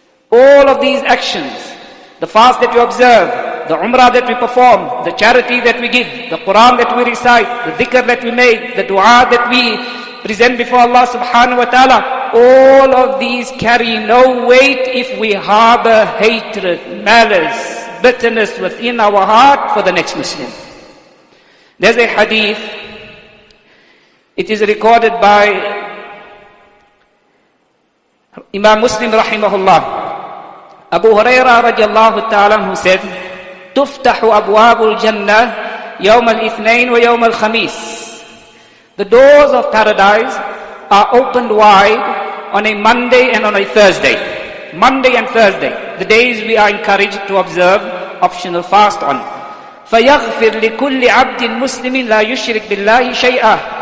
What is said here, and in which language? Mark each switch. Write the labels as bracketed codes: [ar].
[en] All of these actions, the fast that we observe, the umrah that we perform, the charity that we give, the Quran that we recite, the dhikr that we make, the dua that we present before Allah subhanahu wa ta'ala, all of these carry no weight if we harbor hatred, malice, bitterness within our heart for the next Muslim. There's a hadith. It is recorded by Imam Muslim rahimahullah. Abu Hurairah radiallahu ta'ala who said, [ar] تُفْتَحُ أَبْوَابُ الْجَنَّةِ يَوْمَ الْإِثْنَيْنِ وَيَوْمَ الْخَمِيسِ. [en] The doors of paradise are opened wide on a Monday and on a Thursday. Monday and Thursday, the days we are encouraged to observe optional fast on. [ar] فَيَغْفِرْ لِكُلِّ عَبْدٍ مُسْلِمٍ لَا يُشْرِكْ بِاللَّهِ شَيْئًا.